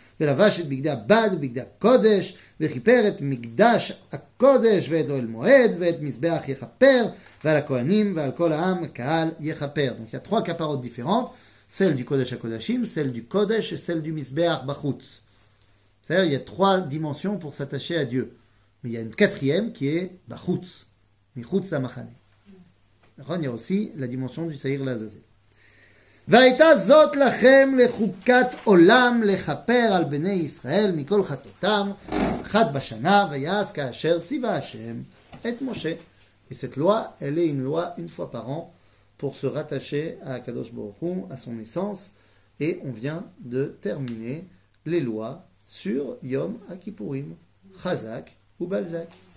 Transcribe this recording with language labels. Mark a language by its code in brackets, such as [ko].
[he] ולבש את בגדי הבד ובגדי הקודש וכיפר את מקדש הקודש ואת אוהל מועד ואת מזבח יכפר ועל הכהנים ועל כל העם הקהל יכפר. [fr] Donc il y a trois caparotes différentes, celle du Kodesh HaKodashim, celle du Kodesh et celle du Mizbeach Bachutz. C'est-à-dire il y a trois dimensions pour s'attacher à Dieu. Mais il y a une quatrième qui est Bachutz, Michutz Amachane. Il y a aussi la dimension du Seir Lazazel. [he] והייתה זאת לכם לחוקת עולם לכפר על בני ישראל מכל חטאתם חד בשנה ויעז כאשר ציווה השם את משה. [fr] Et cette loi, elle est une loi une fois par an pour se rattacher à Kadosh Baruch Hu, à son essence. Et on vient de terminer les lois sur Yom HaKippurim, Chazak ou Balzak.